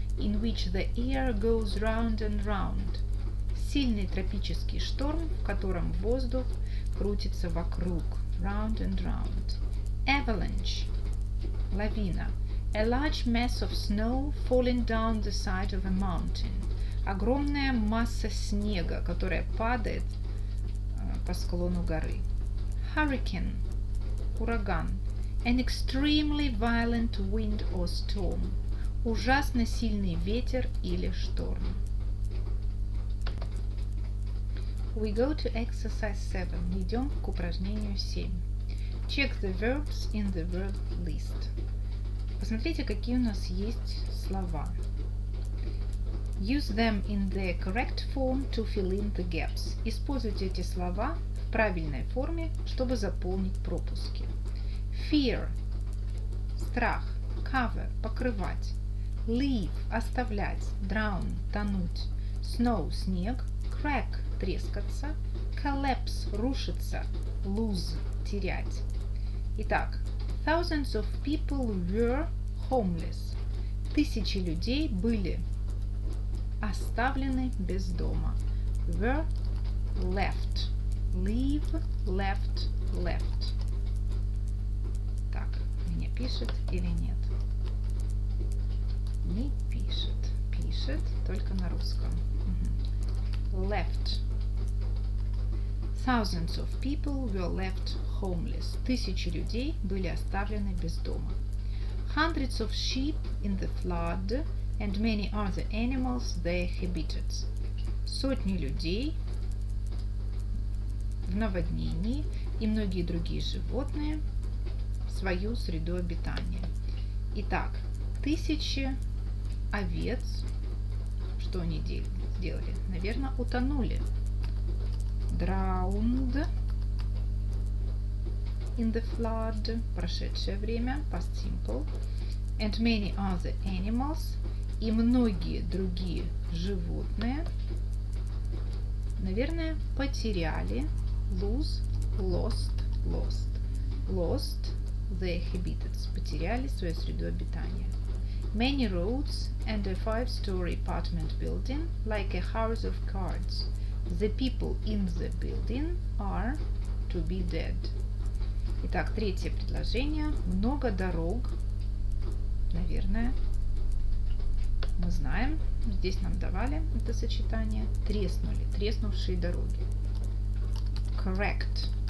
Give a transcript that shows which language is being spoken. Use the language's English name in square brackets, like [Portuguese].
[English] in which the air goes round and round. [Russian] Сильный тропический шторм, в котором воздух крутится вокруг. [English] Round and round. Avalanche. Лавина. A large mass of snow falling down the side of a mountain. [Russian] Огромная масса снега, которая падает по склону горы. [English] Hurricane. Ураган. An extremely violent wind or storm. [Russian] Ужасно сильный ветер или шторм. [English] We go to exercise 7. [Russian] Идем к упражнению 7. [English] Check the verbs in the verb list. [Russian] Посмотрите, какие у нас есть слова. [English] Use them in the correct form to fill in the gaps. [Russian] Используйте эти слова в правильной форме, чтобы заполнить пропуски. [English] Fear – страх. Cover – покрывать. Leave – оставлять. Drown – тонуть. Snow – снег. Crack – трескаться. Collapse – рушиться. Lose – терять. Итак, thousands of people were homeless. [Russian] Тысячи людей были оставлены без дома. [English] Were left. Leave, left, left. [Russian] Так, мне пишет или нет? Не пишет. Пишет только на русском. [English] Left. Thousands of people were left homeless. [Russian] Тысячи людей были оставлены без дома. [English] Hundreds of sheep in the flood and many other animals their habitats. [Russian] Сотни людей в наводнении и многие другие животные свою среду обитания. Итак, тысячи овец, что они сделали? Наверное, утонули. [English] Drowned in the flood, [Russian] прошедшее время, [English] past simple, and many other animals, [Russian] и многие другие животные, наверное, потеряли, [English] lose, lost, lost, lost their habitats, [Russian] потеряли свою среду обитания. [English] Many roads and a five-story apartment building, like a house of cards. The people in the building are to be dead. [Russian] Итак, третье предложение. Много дорог. Наверное, мы знаем. Здесь нам давали это сочетание. Треснули. Треснувшие дороги. Correct.